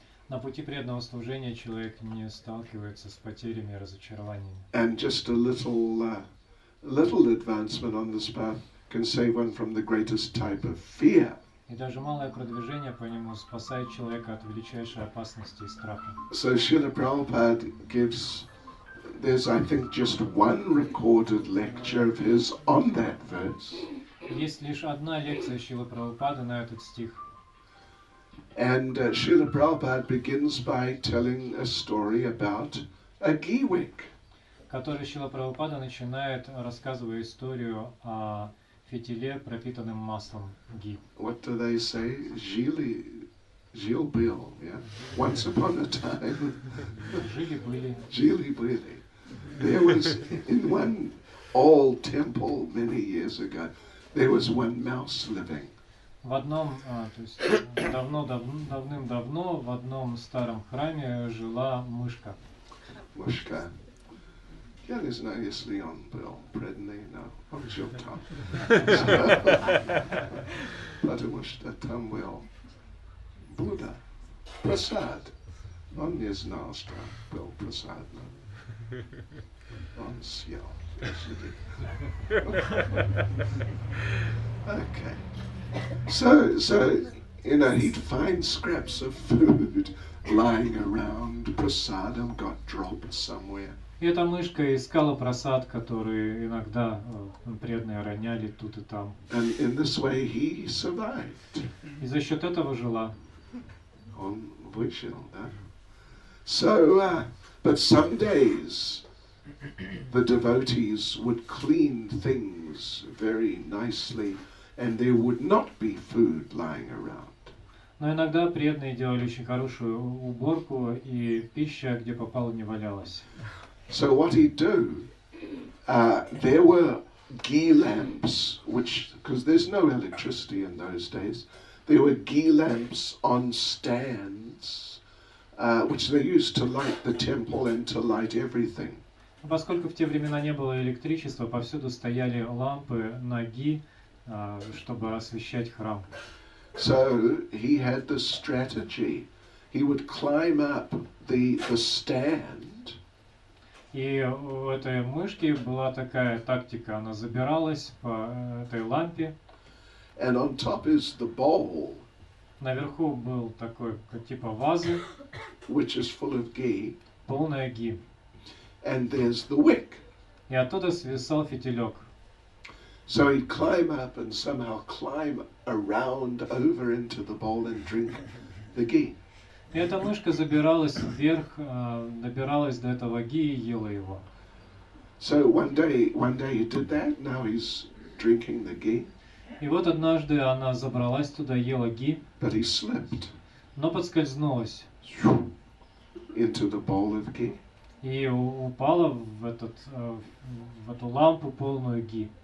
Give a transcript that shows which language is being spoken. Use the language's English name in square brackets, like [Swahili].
[Russian] На пути преданного служения человек не сталкивается с потерями и разочарованиями. [English] And just a little advancement on this path can save one from the greatest type of fear. [Russian] И даже малое продвижение по нему спасает человека от величайшей опасности и страха. [English] So Srila Prabhupada gives, there's I think just one recorded lecture of his on that verse. [Russian] Есть лишь одна лекция Шрилы Прабхупады на этот стих. [English] And Srila Prabhupada begins by telling a story about a ghee wick. [Russian] Который Шрила Прабхупада начинает, рассказывая историю о фитиле, пропитанном маслом ги. [English] What do they say? [Russian] Жили-был, [English] yeah? Once upon a time. [Russian] Жили-были. Жили-были. [English] There was, in one old temple many years ago, there was one mouse living. [Russian] В одном, то есть давным-давно в одном старом храме жила мышка. Мышка. Я не знаю, если он был преданный, но он жил там. Потому что там был Будда. Прасад. Он не знал, что был Прасад, но он съел. Окей. [English] So you know, he'd find scraps of food lying around. Prasadam got dropped somewhere. [Russian] И эта мышка искала просад, который иногда преданные роняли тут и там. [English] And in this way he survived. [Russian] И за счет этого жила. Он выжил, да? [English] So, but some days the devotees would clean things very nicely. And there would not be food lying around. [Russian] Но иногда преданные делали очень хорошую уборку, и пища, где попало, не валялась. [English] So what he'd do, there were ghee lamps, which, because there's no electricity in those days, there were ghee lamps on stands, which they used to light the temple and to light everything. [Russian] Поскольку в те времена не было электричества, повсюду стояли лампы на ги, чтобы освещать храм. So he had this strategy. He would climb up the stand. И у этой мышки была такая тактика. Она забиралась по этой лампе. [English] And on top is the bowl. [Russian] Наверху был такой типа вазы. [English] Which is full of ghee. [Russian] Полная ги. [English] And there's the wick. [Russian] И оттуда свисал фитилек. [English] So he'd climb up and somehow climb around over into the bowl and drink the ghee. [Russian] И эта мышка забиралась вверх, добиралась до этого ги и ела его. [English] So one day he did that, now he's drinking the ghee. [Russian] И вот однажды она забралась туда, ела ги. [English] But he slipped. [Russian] Но подскользнулась. [English] Into the bowl of ghee. [Russian] И упала в эту лампу полную ги.